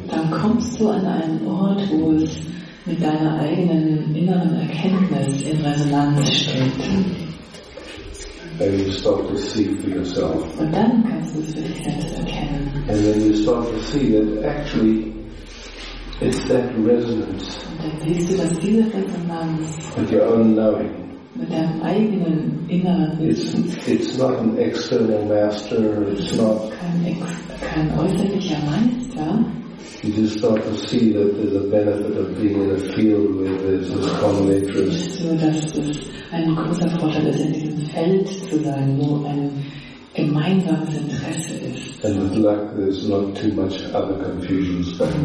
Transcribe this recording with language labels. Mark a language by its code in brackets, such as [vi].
[de] Dann kommst du an einen Ort, wo es mit deiner eigenen inneren Erkenntnis in Resonanz steht. [en] And you start to see for yourself. [de] Und dann kannst du es für dich selbst erkennen. [en] And then you start to see that actually it's that resonance. [de] Und dann siehst du, dass diese Resonanz [en] with your own knowing. [de] Mit deinem eigenen inneren Wissen. [en] It's not an external master. It's not [de] kein äußerlicher Meister. [en] You just start to see that there's a benefit of being in a field where there's this common interest. [de] So, dass es ein großer Vorteil ist, in diesem Feld zu sein, wo ein gemeinsames Interesse ist. [en] And with luck, there's not too much other confusions.